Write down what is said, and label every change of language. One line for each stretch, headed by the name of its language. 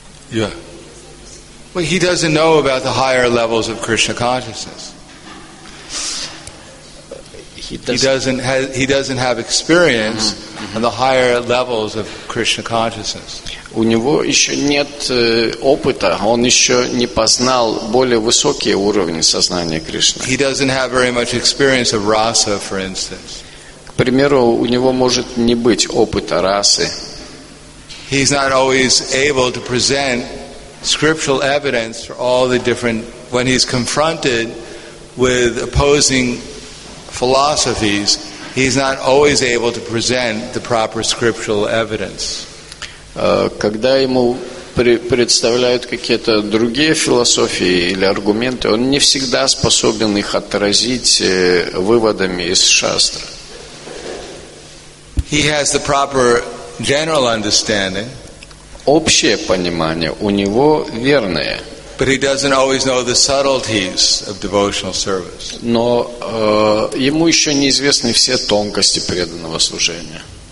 English: Yeah. Well, he doesn't know about the higher levels of Krishna consciousness. He doesn't have experience on the higher levels of Krishna consciousness.
Russian: У него еще нет опыта, он еще не познал более высокие уровни сознания Кришны.
English: He doesn't have very much experience of rasa, for instance.
Russian: К примеру, у него может не быть опыта расы.
English: He's not always able to present scriptural evidence for all the different when he's confronted with opposing philosophies, he's not always able to present the proper scriptural evidence.
Russian: Когда ему представляют какие-то другие философии или аргументы, он не всегда способен их отразить выводами из шастры.
English: He has the proper general understanding.
Russian: Общее понимание у него верное.
English: But he doesn't always know the subtleties of devotional service.
Russian: Но ему еще неизвестны все тонкости преданного служения.